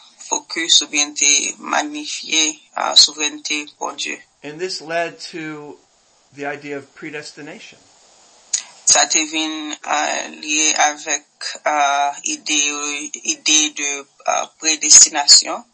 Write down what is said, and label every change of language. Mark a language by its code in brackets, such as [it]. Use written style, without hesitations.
[fr] Focus ou bien de magnifier la souveraineté pour Dieu. [en] And this led to the idea of predestination. [fr] Ça a été lié avec l'idée de prédestination.